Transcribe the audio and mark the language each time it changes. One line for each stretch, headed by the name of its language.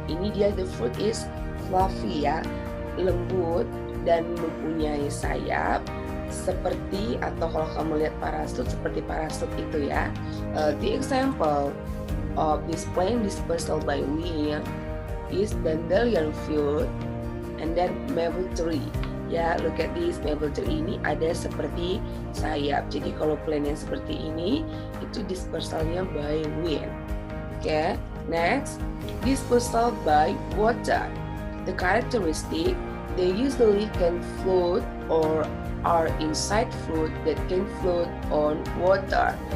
Indonesian: Ini dia,
English: the fruit is fluffy,
Indonesian: ya, lembut dan mempunyai sayap. Seperti, atau kalau kamu lihat parasut, seperti parasut itu ya.
English: The example of this plant dispersal by wind is dandelion fruit and then maple tree.
Indonesian: Ya,
English: look at this,
Indonesian: maple tree ini ada seperti sayap. Jadi kalau plant yang seperti ini, itu dispersalnya
English: by wind. Oke, okay, next, dispersal by water. The characteristic, they usually can float or are inside fruit that can float on water.